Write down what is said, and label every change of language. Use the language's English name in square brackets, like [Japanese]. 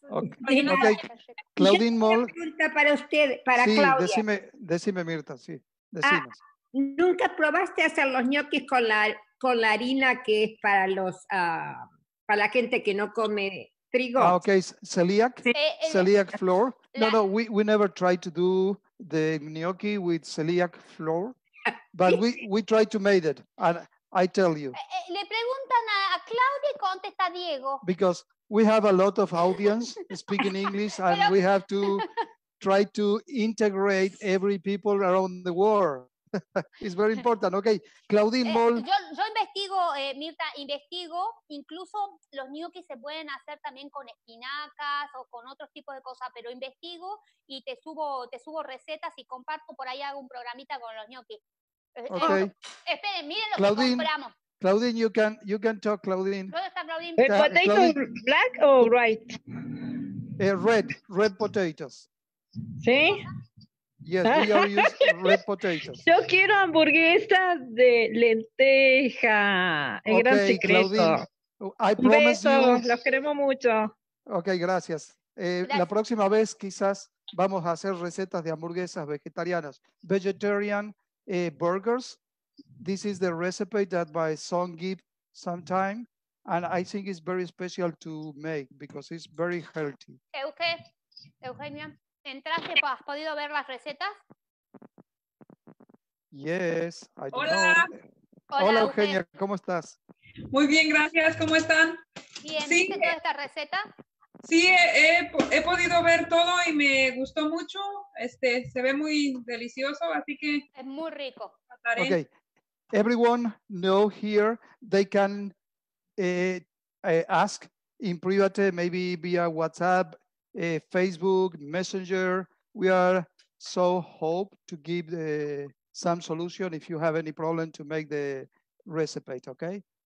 [English] Okay. Claudine Moll. [Spanish] Una pregunta para usted, para sí, Claudia. Sí, decime Mirta, sí, decimos. Ah, ¿nunca probaste hacer los ñoquis con la harina que es para los para la gente que no come trigo? [English] Ah, okay, celiac, sí. Celiac flour. No, we never tried to do the gnocchi with celiac flour, but we tried to make it, and I tell you. [Spanish] Le preguntan a Claudia y contesta Diego. [English] Because we have a lot of audience speaking English, and we have to try to integrate every people around the world. It's very important, okay. Claudine Moll. [Spanish] Yo investigo, Mirta, investigo, incluso los gnocchi se pueden hacer también con espinacas o con otros tipos de cosas, pero investigo y te subo recetas y comparto, por ahí hago un programita con los gnocchi. [English] Okay. [Spanish] Esperen, miren lo Claudine, que compramos. [English] Claudine, you can talk, Claudine. [Spanish] ¿Dónde está Claudine? ¿Potato [English] Claudine? ¿Black o white? Red potatoes. [Spanish] ¿Sí? [English] Yes, we are using red potatoes. [Spanish] Yo quiero hamburguesas de lenteja. Es gran secreto. I promise you. Los queremos mucho. Okay, gracias. La próxima vez quizás vamos a hacer recetas de hamburguesas vegetarianas. [English] Vegetarian burgers. This is the recipe that my son gave sometime. And I think it's very special to make because it's very healthy. [Spanish] Eugenia. ¿Entraste? ¿Has podido ver las recetas? [English] Yes. [Spanish] Hola, Eugenia, usted. ¿Cómo estás? Muy bien, gracias. ¿Cómo están? Bien, ¿sí? ¿Viste toda esta receta? Sí, he podido ver todo y me gustó mucho. Se ve muy delicioso, así que... Es muy rico. [English] Okay. Everyone know here, they can ask in private, maybe via WhatsApp, Facebook, Messenger. We are so hope to give some solution if you have any problem to make the recipe, okay?